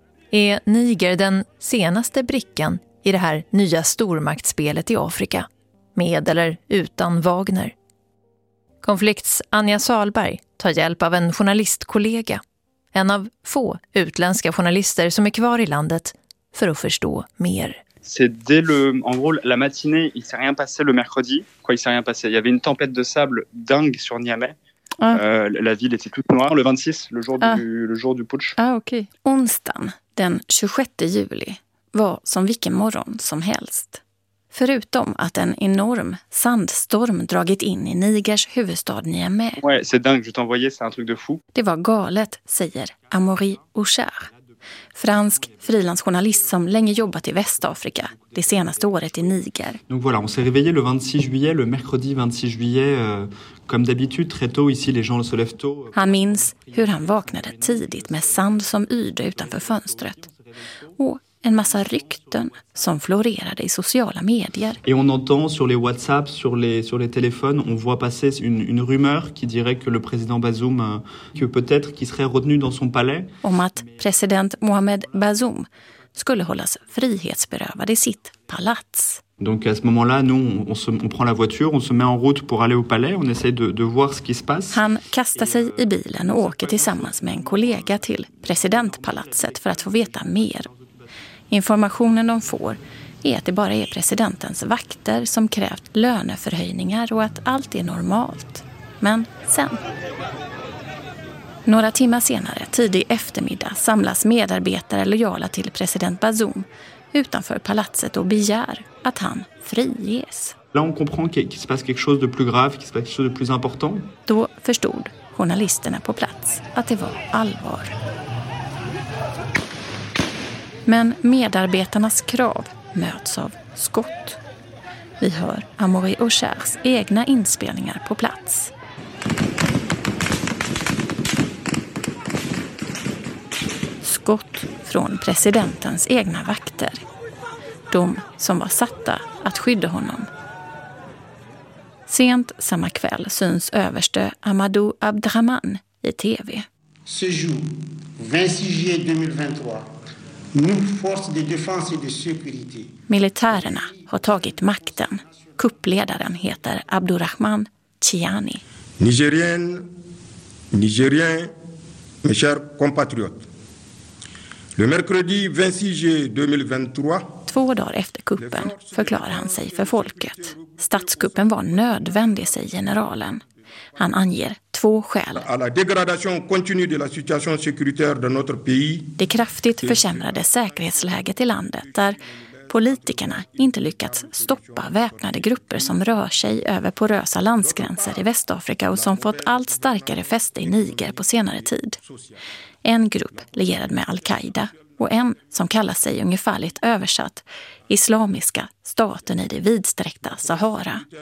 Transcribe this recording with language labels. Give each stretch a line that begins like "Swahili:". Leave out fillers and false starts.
Swedish: Är Niger den senaste brickan i det här nya stormaktsspelet i Afrika? Med eller utan Wagner? Konflikts Anja Salberg tar hjälp av en journalistkollega. En av få utländska journalister som är kvar i landet för att förstå mer.
French: C'est dès le, en gros, la matinée, il s'est rien passé le mercredi. Quoi, il s'est rien passé. Il y avait une tempête de sable dingue sur Niamey. Ah. La ville était toute noire le 26, le jour du putsch.
Swedish: Ah, ok. Onsdagen, den 26 juli, var som vilken morgon som helst. Förutom att en enorm sandstorm dragit in i Nigers huvudstad Niamey.
French: Ouais, c'est dingue, je t'envoyais, c'est un truc de fou.
Swedish: Det var galet, säger Amaury Ouchard. fransk frilansjournalist som länge jobbat i Västafrika, det senaste året i Niger.
French: Donc voilà, on s'est réveillé le 26 juillet, le mercredi 26 juillet comme d'habitude très tôt ici les gens se lèvent tôt.
Swedish: Han minns hur han vaknade tidigt med sand som yrde utanför fönstret. Och en massa rykten som florerade i sociala medier.
French: Et on entend sur les WhatsApp, sur les téléphones, on voit passer une rumeur qui dirait que le président Bazoum que peut-être qu'il serait retenu dans son palais.
Swedish: Om att president Mohamed Bazoum skulle hållas frihetsberövad i sitt palats.
French: Donc à ce moment-là, nous on prend la voiture, on se met en route pour aller au palais, on essaie de voir ce qui se passe.
Swedish: Han kastar sig i bilen och åker tillsammans med en kollega till presidentpalatset för att få veta mer. Informationen de får är att det bara är presidentens vakter som krävt löneförhöjningar och att allt är normalt. Men sen... Några timmar senare, tidig eftermiddag, samlas medarbetare lojala till president Bazoum utanför palatset och begär att han friges.
French: Là on comprend qu'il se passe quelque chose de plus grave, qu'il se passe quelque chose de plus important.
Swedish: Då förstod journalisterna på plats att det var allvar. Men medarbetarnas krav möts av skott. Vi hör Amaury Auchers egna inspelningar på plats. Skott från presidentens egna vakter. De som var satta att skydda honom. Sent samma kväll syns överste Amadou Abdrahman i tv.
French: Ce jour, 26 juillet 2023.
Swedish: Militärerna har tagit makten. Kuppledaren heter Abdurrahman Tchiani.
French: Nigérien, mes chers compatriotes. Le mercredi 26 juillet 2023.
Swedish: Två dagar efter kuppen förklarar han sig för folket. Statskuppen var nödvändig, säger generalen. Han anger två skäl.
French: À la dégradation continue de la situation sécuritaire de notre pays.
Swedish: Det kraftigt försämrade säkerhetsläget i landet där politikerna inte lyckats stoppa väpnade grupper som rör sig över porösa landsgränser i Västafrika och som fått allt starkare fäste i Niger på senare tid. En grupp lierad med Al-Qaida och en som kallar sig ungefärligt översatt Islamiska staten i det vidsträckta Sahara.